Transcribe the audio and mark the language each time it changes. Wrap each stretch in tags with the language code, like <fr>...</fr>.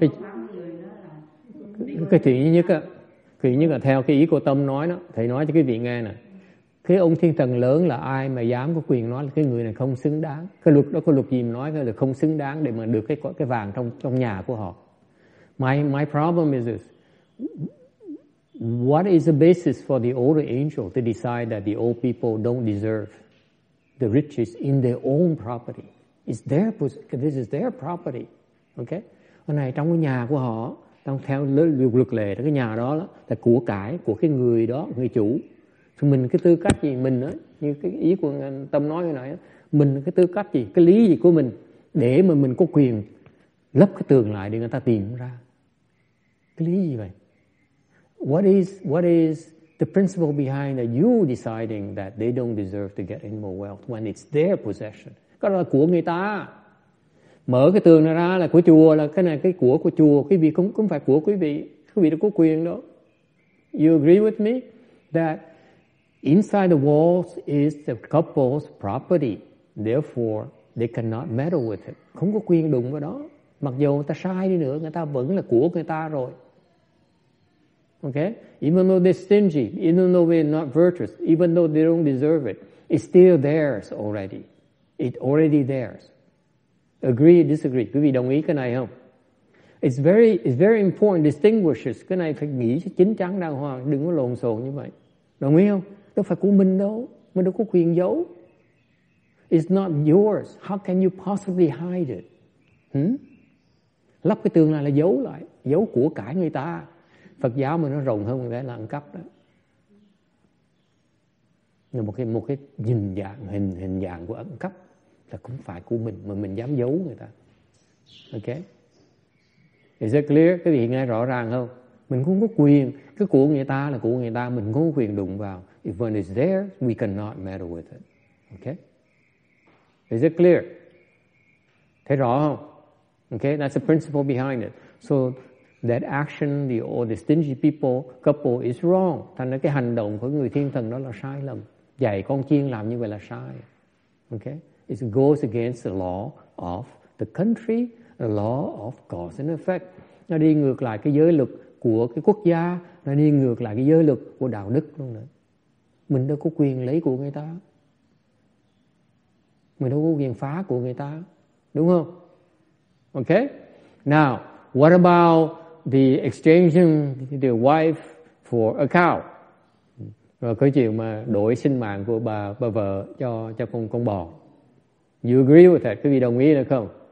<vi>cái, có khoáng người đó là... Cái chuyện nhất là theo cái ý cô Tâm nói đó, thầy nói cho quý vị nghe nè. Cái ông thiên thần lớn là ai mà dám có quyền nói là cái người này không xứng đáng. Cái luật đó có luật gì mà nói là không xứng đáng để mà được cái vàng trong nhà của họ.</vi> <en>My problem is this. what is the basis for the older angel to decide that the old people don't deserve the riches in their own property? It's their, this is their property. Okay?</en> <vi>Cái này trong cái nhà của họ, trong theo luật lệ cái nhà đó là của cải của cái người đó, người chủ. Thì mình cái tư cách gì mình á, như cái ý của Tâm nói hồi nãy á, mình cái tư cách gì, cái lý gì của mình để mà mình có quyền lấp cái tường lại để người ta tìm ra. Cái lý gì vậy? What is the principle behind that you deciding that they don't deserve to get any more wealth when it's their possession? Cái đó là của người ta. Mở cái tường này ra là của chùa, là cái này cái của chùa, quý vị cũng phải của quý vị. Quý vị đã có quyền đó.</vi> <en>You agree with me that inside the walls is the couple's property. Therefore, they cannot meddle with it.</en> <vi>Không có quyền đụng vào đó. Mặc dù người ta sai đi nữa, người ta vẫn là của người ta rồi.</vi> <en>Okay? Even though they're stingy, even though they're not virtuous, even though they don't deserve it, it's still theirs already. It's already theirs. Agree or disagree?</en> <vi>Quý vị đồng ý cái này không?</vi> <en>It's very important to distinguish this.</en> <vi>Cái này phải nghĩ chín chắn đàng hoàng, đừng có lộn xộn như vậy. Đồng ý không? Đâu phải của mình đâu. Mình đâu có quyền giấu. It's not yours. How can you possibly hide it? Lắp cái tường này là giấu lại. Giấu của cả người ta. Phật giáo mà nó rộng hơn cái là ăn cắp đó. Nhưng một cái nhìn dạng, hình dạng của ăn cắp là cũng phải của mình mà mình dám giấu người ta.</vi> <en>Okay? Is it clear?</en> <vi>Cái gì nghe rõ ràng không? Mình không có quyền. Cái của người ta là của người ta. Mình không có quyền đụng vào.</vi> <en>If one is there, we cannot meddle with it. Okay? Is it clear?</en> <vi>Thấy rõ không?</vi> <en>Okay? That's the principle behind it. So that action, the stingy people, couple is wrong.</en> <vi>Thành ra cái hành động của người thiên thần đó là sai lầm. Dạy con chiên làm như vậy là sai.</vi> <en>Okay? It goes against the law of the country, the law of cause and effect.</en> <vi>Nó đi ngược lại cái giới luật của cái quốc gia, nó đi ngược lại cái giới luật của đạo đức luôn nữa. Mình đâu có quyền lấy của người ta. Mình đâu có quyền phá của người ta. Đúng không?</vi> <en>Okay? Now, what about the exchanging the wife for a cow?</en> <vi>Rồi cái chuyện mà đổi sinh mạng của bà vợ cho con bò.</vi> <en>You agree with that?</en> <vi>Quý vị đồng ý được không?</vi>